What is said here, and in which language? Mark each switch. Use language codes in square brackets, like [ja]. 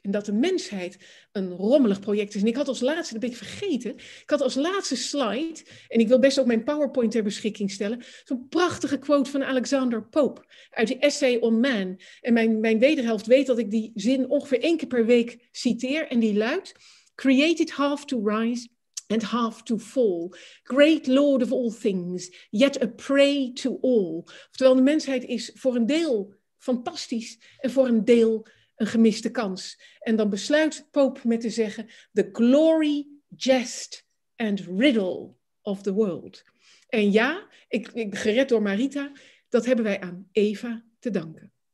[nl] En dat de mensheid een rommelig project is. En ik had als laatste, dat ben ik vergeten, ik had als laatste slide, en ik wil best ook mijn PowerPoint ter beschikking stellen, zo'n prachtige quote van Alexander Pope uit die Essay on Man. En mijn wederhelft weet dat ik die zin ongeveer één keer per week citeer en die luidt, [en] created half to rise and half to fall. Great Lord of all things, yet a prey to all. [nl] Oftewel, de mensheid is voor een deel fantastisch en voor een deel een gemiste kans. En dan besluit Pope met te zeggen, [en] the glory, jest and riddle of the world. [nl] En ja, ik gered door Marita, dat hebben wij aan Eva te danken.